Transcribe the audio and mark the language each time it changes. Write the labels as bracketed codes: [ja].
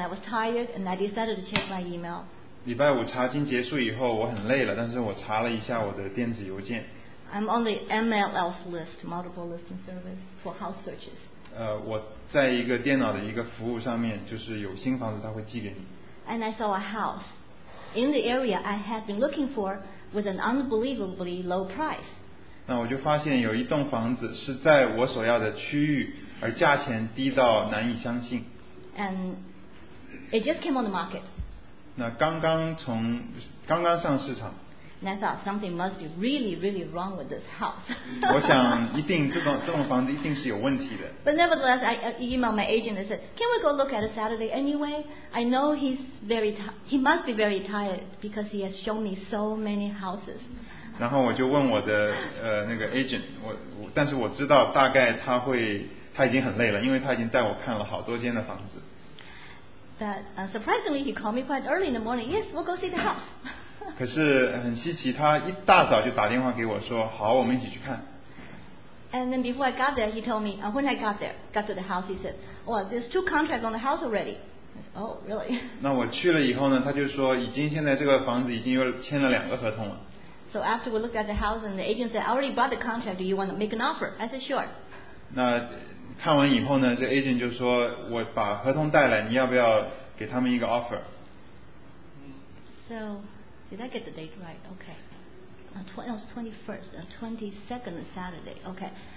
[en] I was tired, and I decided to check my email. [zh] 礼拜五查经结束以后，我很累了，但是我查了一下我的电子邮件。 [en] I'm on the MLS list, Multiple Listing Service for house searches. [zh] 我在一个电脑的一个服务上面，就是有新房子，他会寄给你。 [en] And I saw a house in the area I had been looking for. With an unbelievably low price. [zh] 那我就发现有一栋房子是在我所要的区域，而价钱低到难以相信。 [en] And it just came on the market. [zh] 那刚刚上市场。 [en] And I thought something must be really, really wrong with this house. [zh] 我想一定这种房子一定是有问题的。 [en] But nevertheless, I emailed my agent and said, "Can we go look at it Saturday anyway? I know he must be very tired because he has shown me so many houses." [zh] 然后我就问我的那个 agent, 但是我知道大概他已经很累了，因为他已经带我看了好多间的房子。 [en] But surprisingly, he called me quite early in the morning. Yes, we'll go see the house. [zh] 可是很稀奇，他一大早就打电话给我说，好，我们一起去看。 [en] And then before I got there, he told me, when I got to the house, he said, well, there's two contracts on the house already. I said, oh, really? [zh] 那我去了以后呢，他就说，已经现在这个房子已经签了两个合同了。 [en] So after we looked at the house and the agent said, I already bought the contract, do you want to make an offer? I said, sure. [zh] 那看完以后呢，这 agent 就说，我把合同带来，你要不要给他们一个 offer？ [en] So, did I get the date right? Okay. It was 22nd Saturday. Okay.